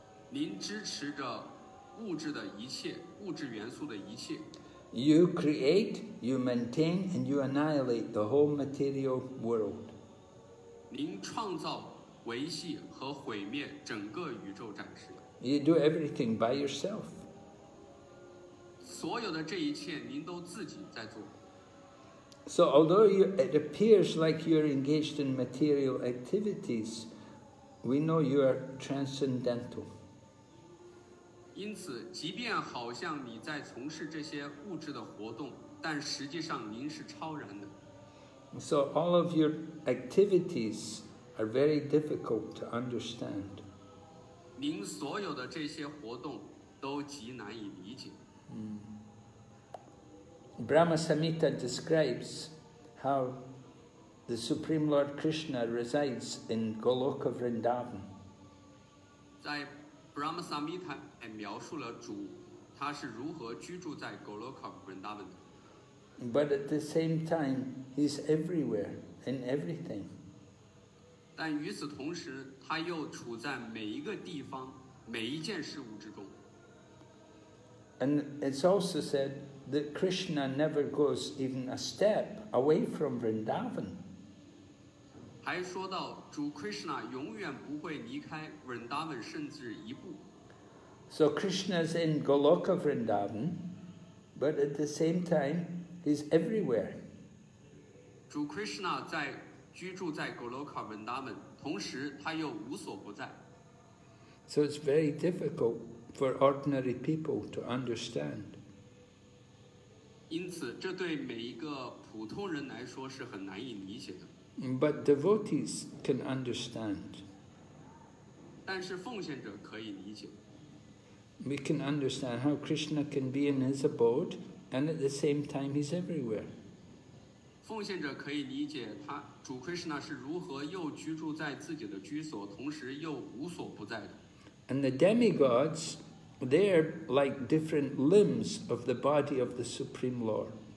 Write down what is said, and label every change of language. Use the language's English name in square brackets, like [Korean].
[Chinese] 您支持着物质的一切，物质元素的一切。 [English] You create, you maintain, and you annihilate the whole material world. [Chinese] 您创造维系和毁灭整个宇宙展示。 [English] You do everything by yourself. [Chinese] 所有的这一切您都自己在做。 [English] So although it appears like you're engaged in material activities, we know you are transcendental. [Chinese] 因此即便好像你在从事这些物质的活动，但实际上您是超然的。 [English] So all of your activities are very difficult to understand. [Chinese] 您所有的这些活动都极难以理解。 [English] Brahma Samhita describes how the Supreme Lord Krishna resides in Goloka Vrindavan. [Chinese] 在 Brahma Samhita 描述了主他是如何居住在 Goloka Vrindavan 的。 [English] But at the same time, he's everywhere in everything. [Chinese] 但与此同时，他又处在每一个地方，每一件事物之中。 [English] And it's also said that Krishna never goes even a step away from Vrindavan. [Chinese] 还说到主 Krishna 永远不会离开 Vrindavan 甚至一步。 [English] So Krishna's in Goloka Vrindavan, but at the same time, he's everywhere. [Chinese] 主 Krishna 在居住在 Goloka Vrindavan, 同时他又无所不在。 [English] So it's very difficult for ordinary people to understand. [Chinese] 因此这对每一个普通人来说是很难以理解的。 [English] But devotees can understand. [Chinese] 但是奉献者可以理解。 [English] We can understand how Krishna can be in his abode and at the same time he's everywhere. [Chinese] 奉献者可以理解他主 Krishna 是如何又居住在自己的居所，同时又无所不在的。 [English] And the demigods, they're like different limbs of the body of the Supreme Lord.